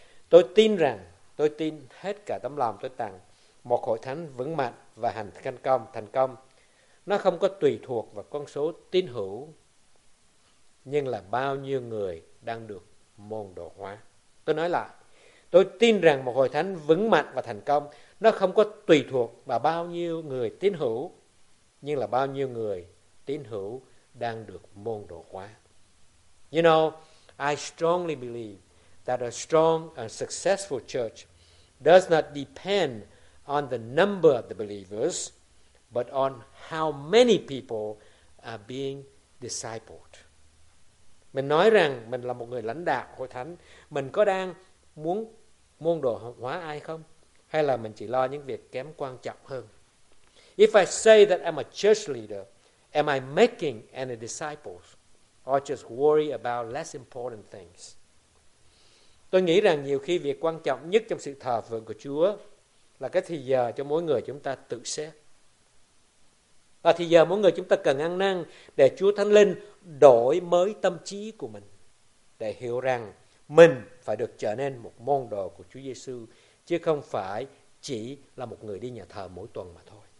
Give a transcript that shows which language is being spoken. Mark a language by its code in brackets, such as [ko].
[vi] Tôi tin rằng, tôi tin hết cả tấm lòng tôi rằng, một hội thánh vững mạnh và thành công, nó không có tùy thuộc vào con số tín hữu, nhưng là bao nhiêu người đang được môn đồ hóa. Tôi nói lại, tôi tin rằng một hội thánh vững mạnh và thành công, nó không có tùy thuộc vào bao nhiêu người tín hữu, nhưng là bao nhiêu người tín hữu đang được môn đồ hóa. [en] You know, I strongly believe that a strong and successful church does not depend on the number of the believers, but on how many people are being discipled. [vi] Mình nói rằng mình là một người lãnh đạo hội thánh, mình có đang muốn môn đồ hóa ai không? Hay là mình chỉ lo những việc kém quan trọng hơn? [en] If I say that I'm a church leader, am I making any disciples? Or just worry about less important things? [vi] Tôi nghĩ rằng nhiều khi việc quan trọng nhất trong sự thờ phượng của Chúa là cái thì giờ cho mỗi người chúng ta tự xét. Và thì giờ mỗi người chúng ta cần ăn năn để Chúa Thánh Linh đổi mới tâm trí của mình, để hiểu rằng mình phải được trở nên một môn đồ của Chúa Giê-xu, chứ không phải chỉ là một người đi nhà thờ mỗi tuần mà thôi.